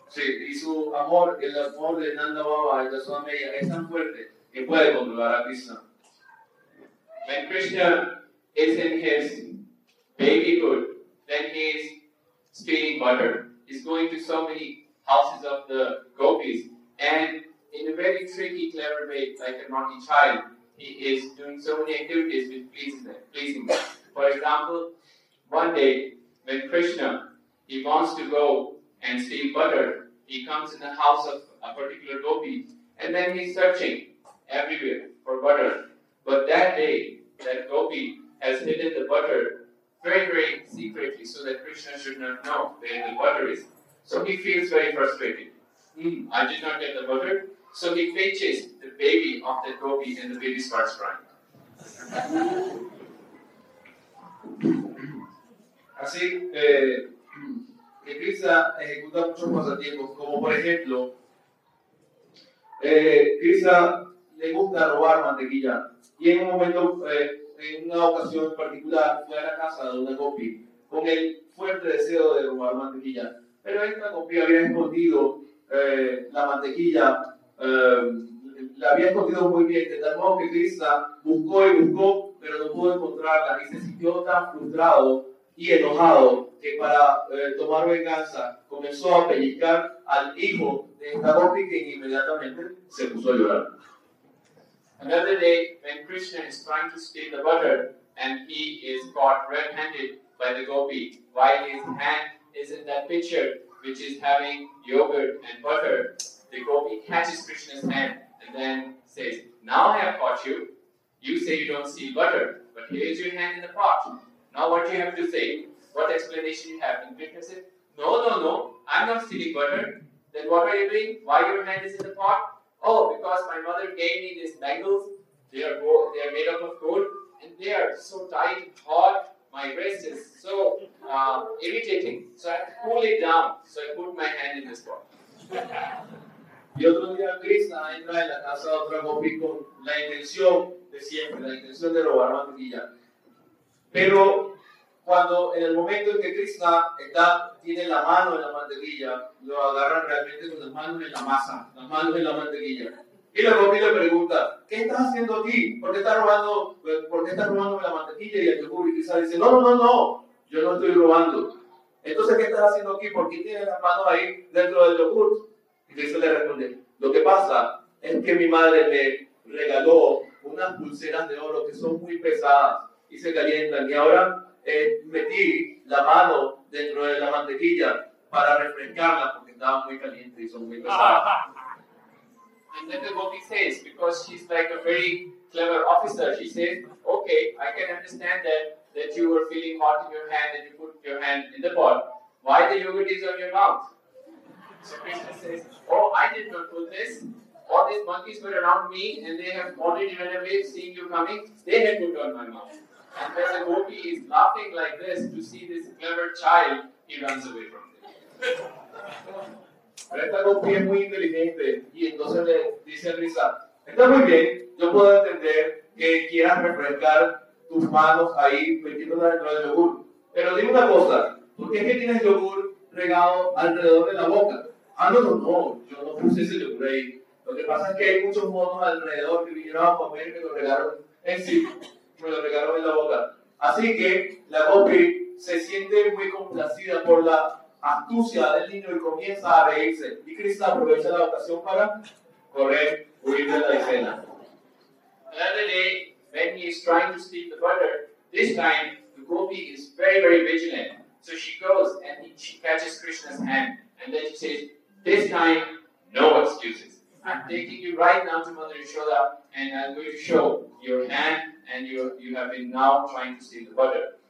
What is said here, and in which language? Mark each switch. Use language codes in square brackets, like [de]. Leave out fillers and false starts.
[es] Sí, y su amor, el amor de Nanda Baba y de Yashoda Maya es tan fuerte que puede controlar a Krishna. [en] When Krishna is in his babyhood, then he is stealing butter. He's going to so many houses of the gopis. And in a very tricky, clever way, like a naughty child, he is doing so many activities with pleasing them. For example, one day, when Krishna, he wants to go and steal butter, he comes in the house of a particular gopi, and then he's searching everywhere for butter. But that day, that gopi has hidden the butter very, very secretly so that Krishna should not know where the butter is. So he feels very frustrated. I did not get the butter. So he fetches the baby of that gopi and the baby starts crying. [es] Así, que Krishna ejecuta muchos pasatiempos, como por ejemplo, Krishna le gusta robar mantequilla. Y en un momento, en una ocasión particular, fue a la casa de una gopi con el fuerte deseo de robar mantequilla. Pero esta gopi había escondido la mantequilla, la había escondido muy bien, de tal modo que Krishna buscó y buscó, pero no pudo encontrarla y se sintió tan frustrado y enojado que para tomar venganza comenzó a pellizcar al hijo de esta gopi, que inmediatamente se puso a llorar. [en] Another day, when Krishna is trying to steal the butter and he is caught red-handed by the gopi, while his hand is in that pitcher which is having yogurt and butter, the gopi catches Krishna's hand and then says, "Now I have caught you. You say you don't steal butter, but here is your hand in the pot. Now what do you have to say? What explanation do you have?" And Krishna says, No, I'm not stealing butter. Then what are you doing? Why your hand is in the pot? Oh, because my mother gave me these bangles. They are made up of gold, and they are so tight and hot. My wrist is so irritating. So I have to cool it down. So I put my hand in this pot. [es] Y otro día Krishna entra en la casa de otra gopi con la intención de siempre, la intención de robar mantequilla. Pero cuando en el momento en que Krishna está, tiene la mano en la mantequilla, lo agarran realmente con las manos en la masa, las manos en la mantequilla. Y la Gopi le pregunta, ¿qué estás haciendo aquí? ¿Por qué estás robándome la mantequilla? Y el Yogur y Krishna dice, no, yo no estoy robando. Entonces, ¿qué estás haciendo aquí? ¿Por qué tienes las manos ahí dentro del yogur? Y Krishna le responde, lo que pasa es que mi madre me regaló unas pulseras de oro que son muy pesadas y se calientan. Y ahora metí la mano dentro de la mantequilla para refrescarlas porque estaban muy calientes y son muy pesadas. [en] And then the Gopi says, because she's like a very clever officer, she says, okay, I can understand that you were feeling hot in your hand and you put your hand in the pot. Why the yogurt is on your mouth? So Krishna says, oh, I did not do this. All these monkeys were around me and they have wanted in a way, seeing you coming, they had put on my mouth. And when the Gopi is laughing like this to see this clever child, he runs away from them. [es] Pero esta Gopi es muy inteligente y entonces le dice a Krishna, está muy bien, yo puedo entender que quieras refrescar tus manos ahí metiéndolas dentro del yogur. Pero dime una cosa, ¿por qué es que tienes yogur regado alrededor de la boca? Ah, no, yo no puse ese yogur ahí. Lo que pasa es que hay muchos monos alrededor que vinieron a comer que lo regaron en sí, me lo regaron en la boca. Así que la Gopi se siente muy complacida por la astucia del niño y comienza a reírse. Y Krishna aprovecha la ocasión para correr, huir de la escena. [en] Another day, when he is trying to steal the butter, this time the Gopi is very, very vigilant. So she goes and she catches Krishna's hand. And then she says, this time, no excuses. I'm taking you right now to Mother Yashoda and I'm going to show your hand and you have been now trying to steal the butter.